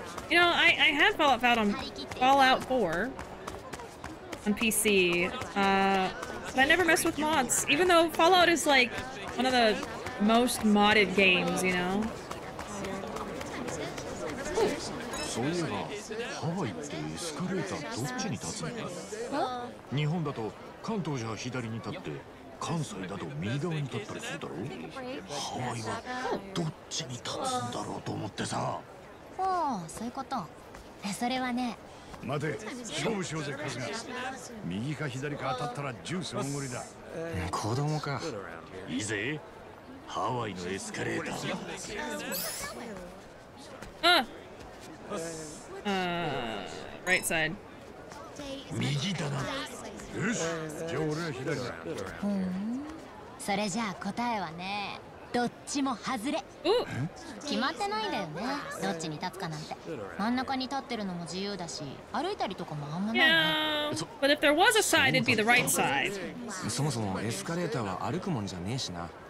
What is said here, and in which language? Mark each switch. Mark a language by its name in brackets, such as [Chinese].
[English] You know, I had Fallout 4 on PC, but I never messed with mods, even though Fallout is like one of the most modded games, you know? [Japanese] そういえば、ハワイってエスカレーターどっちに立つんだ？日本だと関東じゃ左に立って、関西だと右側に立ったりするだろう。ハワイはどっちに立つんだろうと思ってさ。ほう、そういうこと。それはね。待て、勝負しようぜ、カズマ。右か左か当たったらジュースおごりだ。子供か。いいぜ。ハワイのエスカレーター。 [English] Right side. [Japanese] 右だな。よし、じゃあ俺は左だ。ふん。それじゃあ答えはね、どっちも外れ。決まってないんだよね、どっちに立つかなんて。真ん中に立ってるのも自由だし、歩いたりとかもあんまないね。 [English] But if there was a side, it'd be the right side. [Japanese] そもそもエスカレーターは歩くもんじゃねえしな。